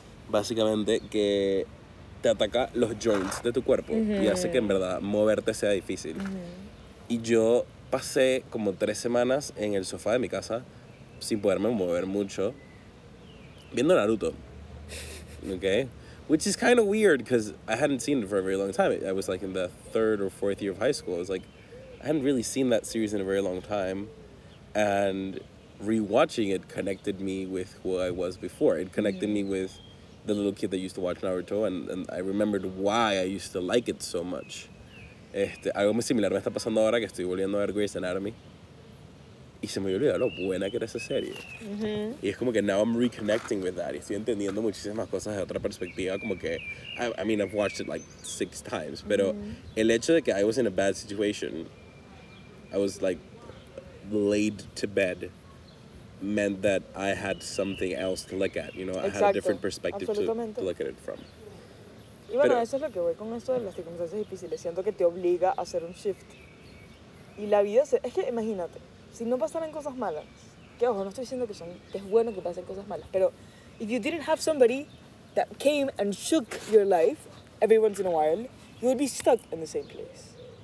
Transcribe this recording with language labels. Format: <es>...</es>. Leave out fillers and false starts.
<es>Básicamente que... te ataca los joints de tu cuerpo uh-huh. y hace que en verdad moverte sea difícil. Uh-huh. Y yo pasé como 3 semanas en el sofá de mi casa sin poderme mover mucho viendo Naruto.</es> <en>Okay? Which is kind of weird because I hadn't seen it for a very long time. I was like in the 3rd or 4th year of high school. I was like, I hadn't really seen that series in a very long time. And rewatching it connected me with who I was before. It connected uh-huh. me with the little kid that used to watch Naruto, and I remembered why I used to like it so much.</en> <es>Algo muy similar me está pasando ahora que estoy volviendo a ver Grey's Anatomy. Y se me olvidó lo buena que era esa serie. Mm-hmm. Y es como que</es> <en>now I'm reconnecting with that.</en> <es>Y estoy entendiendo muchísimas cosas de otra perspectiva. Como que,</es> <en>I mean, I've watched it like 6 times.</en> <es>Pero</es> <en>mm-hmm.</en> <es>el hecho de que</es> <en>I was in a bad situation, I was like laid to bed, meant that I had something else to look at, you know,</en> <es>exacto,</es> <en>I had a different perspective to look at it from.</en> <es>Y bueno, pero, eso es lo que voy con esto de las circunstancias difíciles. Siento que te obliga a hacer un shift. Y la vida se... Es que imagínate, si no pasaran cosas malas, que ojo, no estoy diciendo que son, que es bueno que pasen cosas malas, pero</es> <en>if you didn't have somebody that came and shook your life every once in a while, you would be stuck in the same place.</en>